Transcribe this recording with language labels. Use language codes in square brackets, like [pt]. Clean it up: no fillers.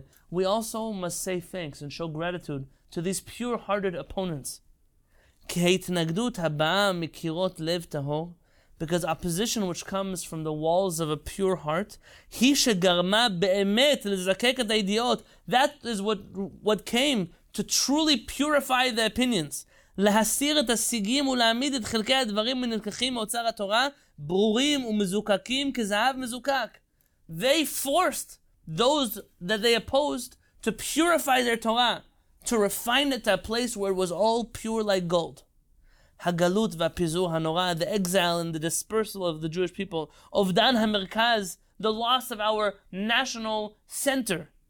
[en] We also must say thanks and show gratitude to these pure-hearted opponents. Because opposition which comes from the walls of a pure heart, that is what came to truly purify the opinions. [he] להסיר את הסיגים ולהעמיד את חלקי הדברים מנלקחים מאוצר התורה ברורים ומזוקקים כזהב מזוקק. [en] They forced those that they opposed to purify their Torah, to refine it to a place where it was all pure like gold. Hagalut v'apizur hanora, the exile and the dispersal of the Jewish people. Ovdan hamerkaz, the loss of our national center.